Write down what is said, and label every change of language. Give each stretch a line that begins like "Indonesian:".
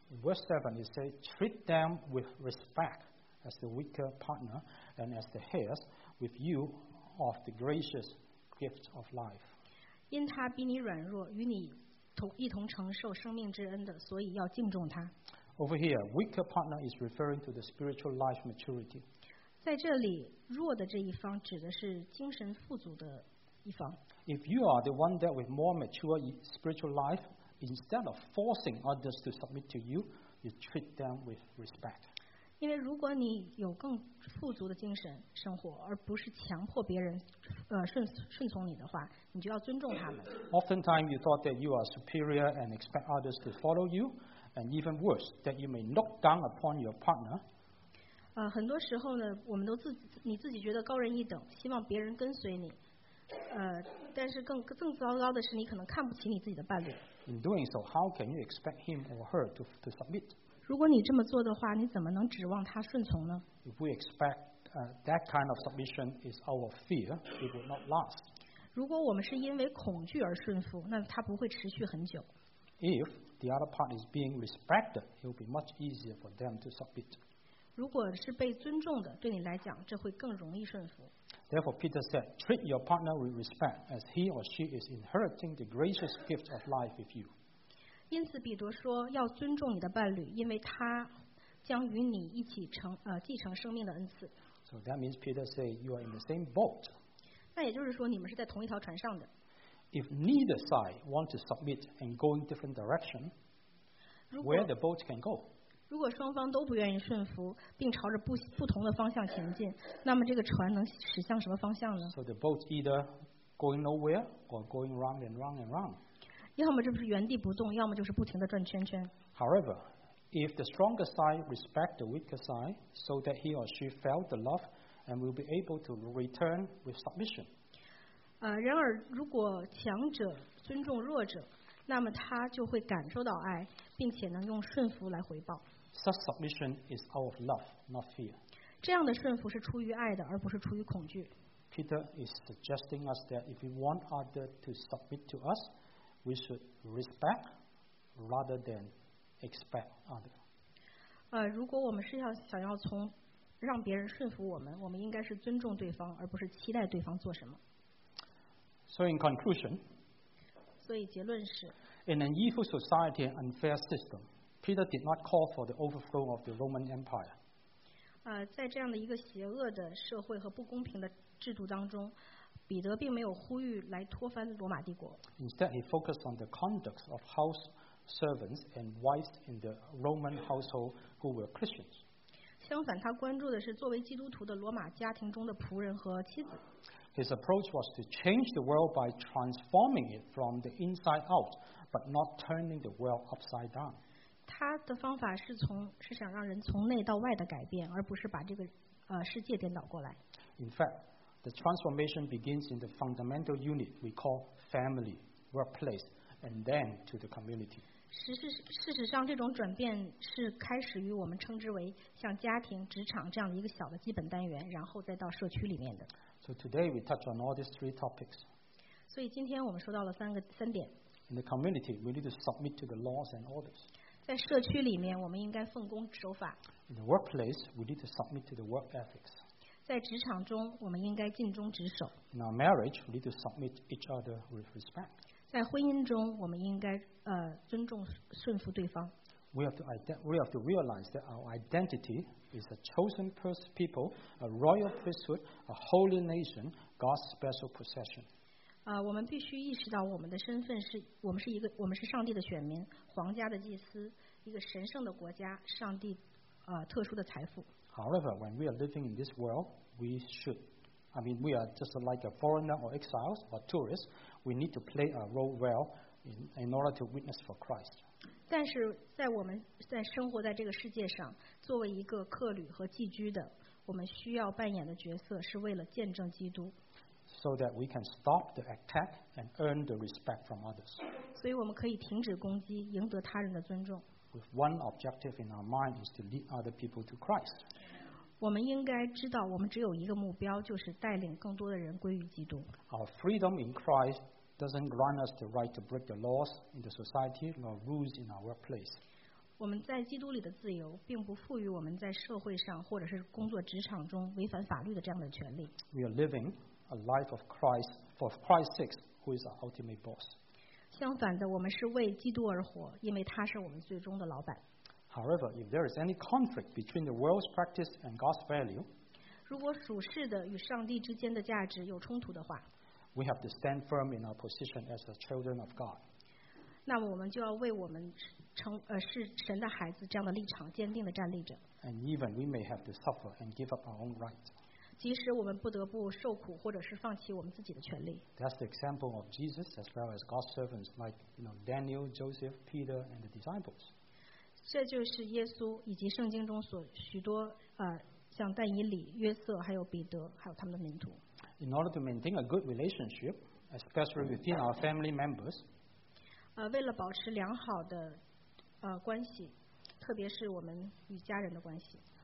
English: Verse 7 it says, treat them with respect as the weaker partner and as the heirs with you of the gracious gift of life.
Chinese: 因他比你软弱，与你一同承受生命之恩的，所以要敬重他。
English: Over here, weaker partner is referring to the spiritual life maturity.
Chinese: 在这里弱的这一方指的是精神富足的一方。
English: If you are the one that with more mature spiritual life, instead of forcing others to submit to you, you treat them with respect.
Chinese: 因为如果你有更富足的精神生活，而不是强迫别人顺从你的话，你就要尊重他们。
English: Oftentimes you thought that you are superior and expect others to follow you, and even worse, that you may look down upon your partner.
Chinese: 很多时候呢，我们都你自己觉得高人一等，希望别人跟随你。但是更糟糕的是，你可能看不起你自己的伴侣。
English: In doing so, how can you expect him or her to submit?
Chinese: 如果你这么做的话，你怎么能指望他顺从呢
English: ？If we expect that kind of submission is our fear, it will not last.
Chinese: 如果我们是因为恐惧而顺服，那它不会持续很久。
English: If the other part is being respected, it will be much easier for them to submit.
Chinese: 如果是被尊重的，对你来讲，这会更容易顺服。
English: Therefore, Peter said, "Treat your partner with respect, as he or she is inheriting the gracious gift of life with you."
Chinese: 因此，彼得说要尊重你的伴侣，因为他将与你一起继承生命的恩赐。
English: So that means Peter said you are in the same boat.
Chinese: 那也就是说，你们是在同一条船上的。
English: If neither side wants to submit and go in different direction, where the boat can go?
Chinese: 如果双方都不愿意顺服，并朝着 不同的方向前进，那么这个船能驶向什么方向呢
English: ？So the boat either going nowhere or going round and round and round.
Chinese: 要么就是原地不动，要么就是不停的转圈圈。
English: However, if the stronger side respect the weaker side, so that he or she felt the love and will be able to return with submission.
Chinese: 然而如果强者尊重弱者。那么他就会感受到爱，并且能用顺服来回报。
English: Such submission is out of love, not fear.
Chinese: 这样的顺服是出于爱的，而不是出于恐惧。
English: Peter is suggesting us that if we want others to submit to us, we should respect rather than expect others.
Chinese: 如果我们是想要从让别人顺服我们应该是尊重对方，而不是期待对方做什么。
English: So in conclusion.
Chinese: 所以结论是
English: In an evil society and unfair system, Peter did not call for the overthrow of the Roman Empire.
Chinese: 在这样的一个邪恶的社会和不公平的制度当中，彼得并没有呼吁来推翻罗马帝国。
English: Instead, he focused on the conduct of house servants and wives in the Roman household who were Christians.
Chinese: 相反，他关注的是作为基督徒的罗马家庭中的仆人和妻子。
English: His approach was to change the world by transforming it from the inside out, but not turning the world upside down.
Chinese: 他的方法是想让人从内到外的改变，而不是把这个世界颠倒过来。
English: In fact, the transformation begins in the fundamental unit we call family, workplace, and then to the community.
Chinese: 事实上，这种转变是开始于我们称之为像家庭、职场这样的一个小的基本单元，然后再到社区里面的。
English: So today we touch on all these three topics.
Chinese: 所以今天我们说到了三点。
English: In the community, we need to submit to the laws and orders.
Chinese: 在社区里面，我们应该奉公守法。
English: In the workplace, we need to submit to the work ethics.
Chinese: 在职场中，我们应该尽忠职守。
English: In our marriage, we need to submit each other with respect.
Chinese: 在婚姻中，我们应该尊重顺服对方。
English: We have to realize that our identity is a chosen people, a royal priesthood, a holy nation, God's special possession.
Chinese: 我们必须意识到我们的身份是，我们是上帝的选民，皇家的祭司，一个神圣的国家，上帝特殊的财富。
English: However, when we are living in this world, we are just like a foreigner or exiles or tourists. We need to play a role well in order to witness for Christ.
Chinese: 但是在我们在生活在这个世界上，作为一个客旅和寄居的，我们需要扮演的角色是为了见证基督。
English: So that we can stop the attack and earn the respect from others.
Chinese: 所以我们可以停止攻击，赢得他人的尊重。
English: With one objective in our mind is to lead other people to Christ.
Chinese: 我们应该知道，我们只有一个目标，就是带领更多的人归于基督。
English: Our freedom in Christ. Doesn't grant us the right to break the laws in the society nor rules in our workplace.
Chinese: 我们在基督里的自由，并不赋予我们在社会上或者是工作职场中违反法律的这样的权利。
English: We are living a life of Christ for Christ's sake, who is our ultimate boss.
Chinese: 相反的，我们是为基督而活，因为他是我们最终的老板。
English: However, if there is any conflict between the world's practice and God's value,
Chinese: 如果属世的与上帝之间的价值有冲突的话，
English: We have to stand firm in our position as the children of God.
Chinese: 那么我们就要为我们成是神的孩子这样的立场坚定的站立着。
English: And even we may have to suffer and give up our own rights.
Chinese: 即使我们不得不受苦或者是放弃我们自己的权利。
English: That's the example of Jesus as well as God's servants like, you know, Daniel, Joseph, Peter, and the disciples.
Chinese: 这就是耶稣以及圣经中所许多像但以理、约瑟还有彼得还有他们的门徒。
English: In order to maintain a good relationship, especially within our family members,
Chinese: 为了保持良好的关系，特别是我们与家人的关系，